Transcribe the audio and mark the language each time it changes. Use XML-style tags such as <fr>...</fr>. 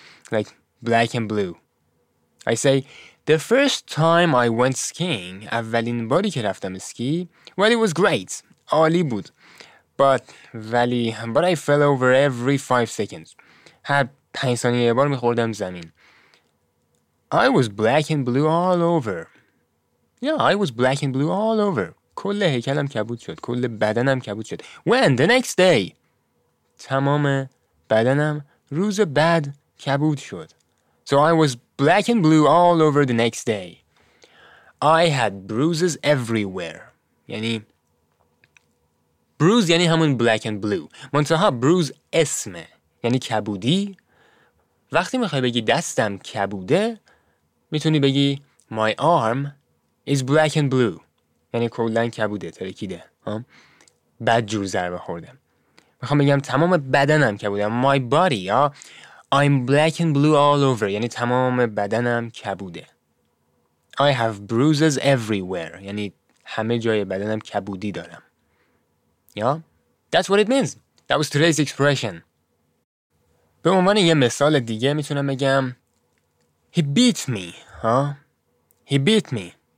<en>Like black and blue. I say, the first time I went skiing,</en> <fa>اولین باری که رفتم اسکی,</fa> <en>well, it was great,</en> <fa>عالی بود.</fa> <en>But I fell over every 5 seconds.</en> <fa>هر 5 ثانیه یه بار میخوردم زمین.</fa> <en>I was black and blue all over. Yeah, I was black and blue all over.</en> <fa>کل هیکلم کبود شد, کل بدنم کبود شد.</fa> <en>When? The next day.</en> <fa>تمام بدنم روز بعد کبود شد.</fa> <en>So I was... Black and blue all over the next day. I had bruises everywhere.</en> <fa>یعنی</fa> <en>bruise</en> <fa>یعنی همون</fa> <en>black and blue.</en> <fa>منتها bruise اسمه. یعنی کبودی. وقتی میخوای بگی دستم کبوده میتونی بگی</fa> <en>My arm is black and blue.</en> <fa>یعنی کلن کبوده ترکیده. بد جور ضربه خورده. میخوام بگم تمام بدنم کبوده.</fa> <en>My body, I'm black and blue all over.</en> <fa>یعنی تمام بدنم کبوده.</fa> <en>I have bruises everywhere.</en> <fa>یعنی همه جای بدنم کبودی دارم.</fa> <en>Yeah? That's what it means. That was today's expression.</en> <fa>به عنوان یه مثال دیگه میتونم بگم</fa> <en>He beat me. Huh? He beat me.</en>